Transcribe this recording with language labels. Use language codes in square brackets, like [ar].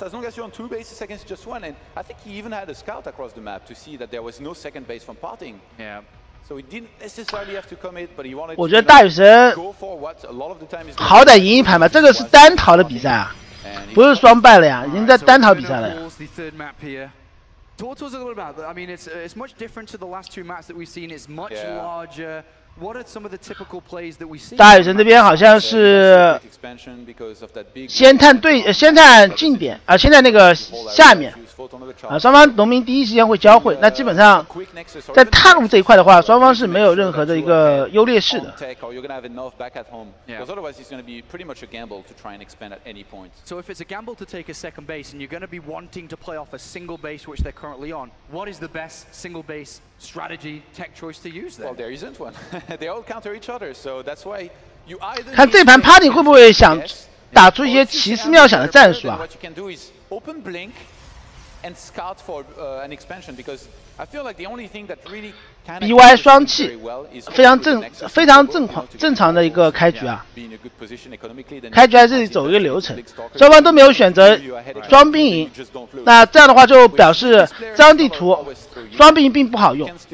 [en] As long as you're on two bases against just one, and I think he even had a scout across the map to see that there was no second base from Parting. Yeah. So he didn't necessarily have to commit, but he wanted. [zh] 我觉得大雨神好歹赢一盘吧，这个是单淘的比赛啊。不是双败了呀，已经在单淘比赛了呀。 [en] Torto's a little bad, but I mean, it's much different to the last two maps that we've seen. It's much larger. What are some of the typical plays that we see? [zh] 大雨神这边好像是先探对，先探近点啊，先探那个下面啊。双方农民第一时间会交汇，那基本上在踏入这一块的话，双方是没有任何的一个优劣势的。 [en] So if it's a gamble to take a second base and you're going to be wanting to play off a single base which they're currently on, what is the best single base strategy tech choice to use then? Well, there isn't one. They all counter each other, so that's why you either. [zh] 看这盘 Party 会不会想打出一些奇思妙想的战术啊？ [en] What you can do is open blink. And scout for an expansion because I feel like the only thing that really [zh] B Y 双气非常正常的一个开局啊，开局还是走一个流程，双方都没有选择双兵营，那这样的话就表示这张地图双兵营并不好用。